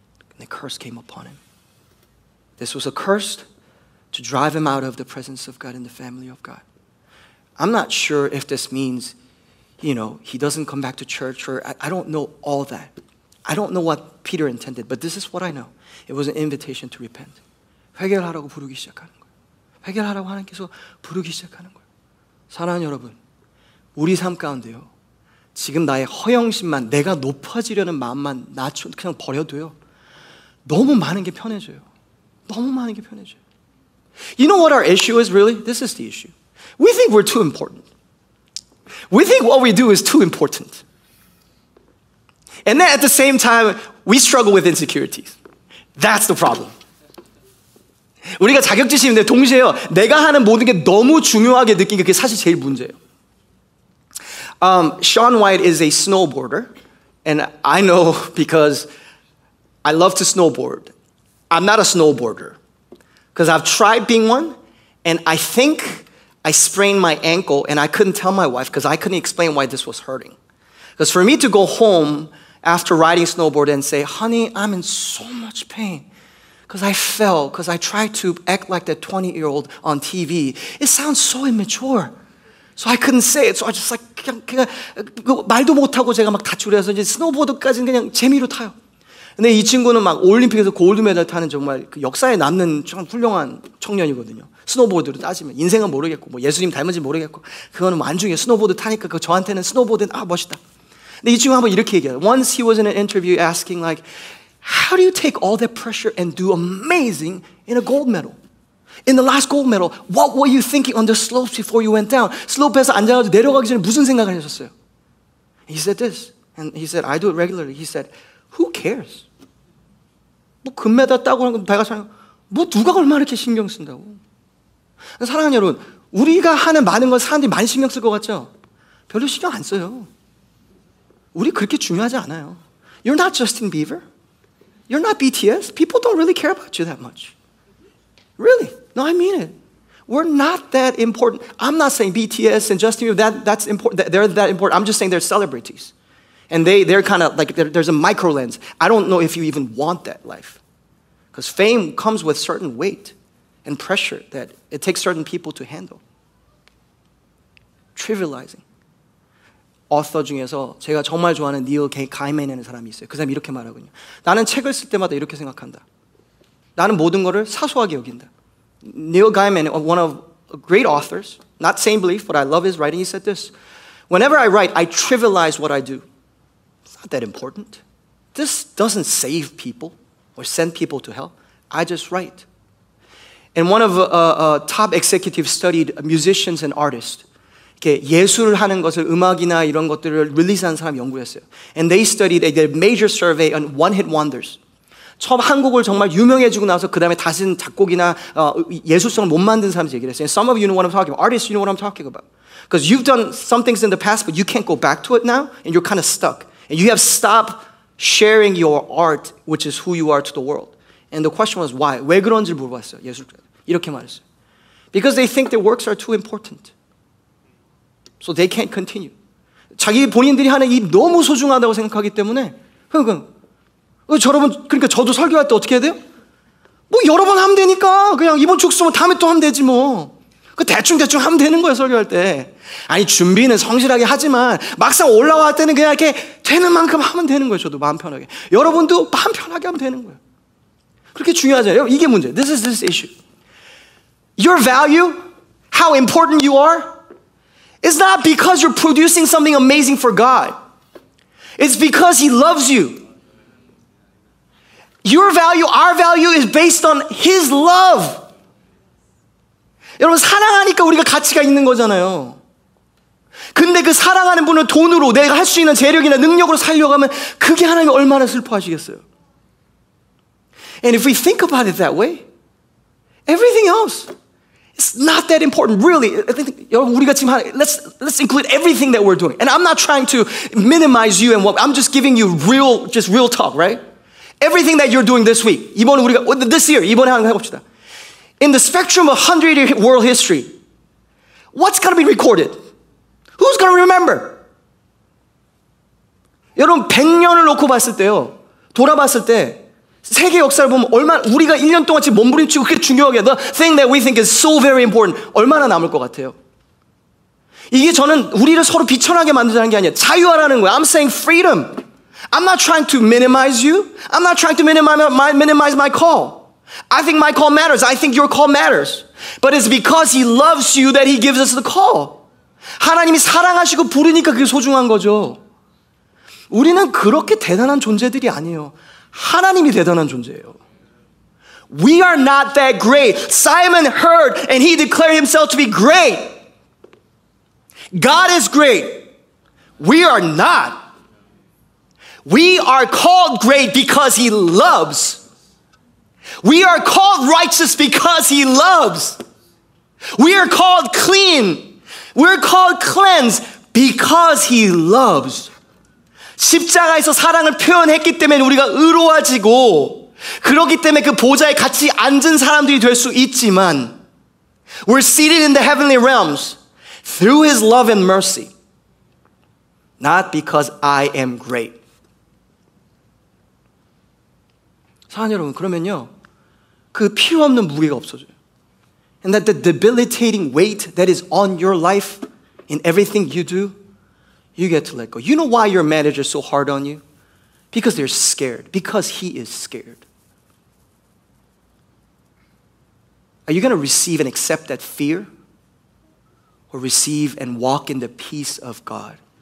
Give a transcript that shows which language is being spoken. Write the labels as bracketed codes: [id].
[en] And the curse came upon him. This was a curse to drive him out of the presence of God and the family of God. I'm not sure if this means, you know, he doesn't come back to church or I don't know all that. I don't know what Peter intended, but this is what I know. It was an invitation to repent. [ko] 회개하라고 부르기 시작하는 거예요. 회개하라고 하나님께서 부르기 시작하는 거예요. 사랑하는 여러분, 우리 삶 가운데요. 지금 나의 허영심만, 내가 높아지려는 마음만 낮춰 그냥 버려둬요. 너무 많은 게 편해져요. [en] 너무 많은 게 편해져요. You know what our issue is, really? This is the issue. We think we're too important. We think what we do is too important. And then at the same time, we struggle with insecurities. That's the problem. [ko] 우리가 자격지심인데 동시에요. 내가 하는 모든 게 너무 중요하게 느끼는 게 사실 제일 문제예요. [en] Sean White is a snowboarder. And I know because I love to snowboard. I'm not a snowboarder. Because I've tried being one. And I think I sprained my ankle. And I couldn't tell my wife because I couldn't explain why this was hurting. Because for me to go home after riding snowboard and say, honey, I'm in so much pain because I fell, because I tried to act like that 20-year-old on TV. It sounds so immature. So I couldn't say it. So I just like, [ko] 그냥 말도 못하고 제가 막 다치려서 이제 스노보드까지는 그냥 재미로 타요. 근데 이 친구는 막 올림픽에서 골드메달 타는 정말 그 역사에 남는 참 훌륭한 청년이거든요. 스노보드로 따지면. 인생은 모르겠고, 뭐 예수님 닮은지 모르겠고, 그거는 뭐 안 중요해. 스노보드 타니까 그 저한테는 스노보드는 아, 멋있다. 근데 이 친구가 한번 이렇게 얘기해요. [en] Once he was in an interview asking like, how do you take all that pressure and do amazing in a gold medal? In the last gold medal, what were you thinking on the slopes before you went down? [ko] 슬로프에서 앉아가지고 내려가기 전에 무슨 생각을 하셨어요? [en] He said this, and he said, I do it regularly. He said, who cares? [ko] 뭐 금메달 따고 하는 건 내가 생각하고, 뭐 누가 얼마나 이렇게 신경 쓴다고. 사랑하는 여러분, 우리가 하는 많은 건 사람들이 많이 신경 쓸 것 같죠? 별로 신경 안 써요. 우리 그렇게 중요하지 않아요. [en] You're not Justin Bieber. You're not BTS. People don't really care about you that much. Really? No, I mean it. We're not that important. I'm not saying BTS and Justin Bieber, that's important. They're that important. I'm just saying they're celebrities. And they're kind of like, there's a micro lens. I don't know if you even want that life. Because fame comes with certain weight and pressure that it takes certain people to handle. Trivializing. [ko] 어서 중에서 제가 정말 좋아하는 닐 가이맨이라는 사람이 있어요. 그 사람이 이렇게 말하거든요. 나는 책을 쓸 때마다 이렇게 생각한다. 나는 모든 것을 사소하게 여긴다. [en] 닐 가이맨, one of great authors, not same belief, but I love his writing, he said this. Whenever I write, I trivialize what I do. It's not that important. This doesn't save people or send people to hell. I just write. And one of top executives studied musicians and artists. [ko] 이렇게 예술을 하는 것을 음악이나 이런 것들을 릴리스한 사람 연구했어요. [en] And they studied a major survey on one-hit wonders. [ko] 처음 한 곡을 정말 유명해지고 나서 그 다음에 다시는 작곡이나 예술성을 못 만든 사람 얘기를 했어요. [en] And some of you know what I'm talking about. Artists, you know what I'm talking about. Because you've done some things in the past, but you can't go back to it now, and you're kind of stuck. And you have stopped sharing your art, which is who you are to the world. And the question was why? [ko] 왜 그런지 물어봤어요, 예술가. 이렇게 말했어요. [en] Because they think their works are too important. So they can't continue. [ko] 자기 본인들이 하는 일이 너무 소중하다고 생각하기 때문에 그러니까 여러분 그러니까 저도 설교할 때 어떻게 해야 돼요? 뭐 여러 번 하면 되니까 그냥 이번 주 쓰면 다음에 또 하면 되지 뭐. 그 대충대충 하면 되는 거예요, 설교할 때. 아니, 준비는 성실하게 하지만 막상 올라와 때는 그냥 이렇게 되는 만큼 하면 되는 거예요, 저도 마음 편하게. 여러분도 마음 편하게 하면 되는 거예요. 그렇게 중요하잖아요. 이게 문제. [en] This is this issue. Your value, how important you are, is not because you're producing something amazing for God. It's because He loves you. Your value, our value is based on His love. [ko] 여러분, 사랑하니까 우리가 가치가 있는 거잖아요. 근데 그 사랑하는 분을 돈으로 내가 할 수 있는 재력이나 능력으로 살려고 하면 그게 하나님 얼마나 슬퍼하시겠어요? [en] And if we think about it that way, everything else is not that important, really. I think, [ko] 여러분, 우리가 지금 하는, [en] let's include everything that we're doing. And I'm not trying to minimize you and what, I'm just giving you real, just real talk, right? Everything that you're doing this week, [ko] 이번에 우리가, [en] this year, [ko] 이번에 하는 거 해봅시다. [en] In the spectrum of 100-year world history, what's going to be recorded? Who's going to remember? [ko] 여러분, 100년을 놓고 봤을 때요, 돌아봤을 때, 세계 역사를 보면 얼마나 우리가 1년 동안 지금 몸부림치고 그렇게 중요하게 [en] the thing that we think is so very important [ko] 얼마나 남을 것 같아요? 이게 저는 우리를 서로 비천하게 만드는 게 아니에요. 자유화라는 거예요. [en] I'm saying freedom. I'm not trying to minimize you. I'm not trying to minimize my call. I think my call matters. I think your call matters. But it's because He loves you that He gives us the call. [ko] 하나님이 사랑하시고 부르니까 그게 소중한 거죠. 우리는 그렇게 대단한 존재들이 아니에요. 하나님이 대단한 존재예요. [en] We are not that great. Simon heard and he declared himself to be great. God is great. We are not. We are called great because He loves. We are called righteous because He loves. We are called clean. We're called cleansed because He loves. [ko] 십자가에서 사랑을 표현했기 때문에 우리가 의로워지고 그러기 때문에 그 보좌에 같이 앉은 사람들이 될 수 있지만 [en] We're seated in the heavenly realms through His love and mercy not because I am great. [ko] 사랑하는 여러분, 그러면요 그 필요 없는 무게가 없어져요. [en] And that the debilitating weight that is on your life in everything you do You get to let go. You know why your manager is so hard on you? Because they're scared. Because he is scared. Are you going to receive and accept that fear? Or receive and walk in the peace of God?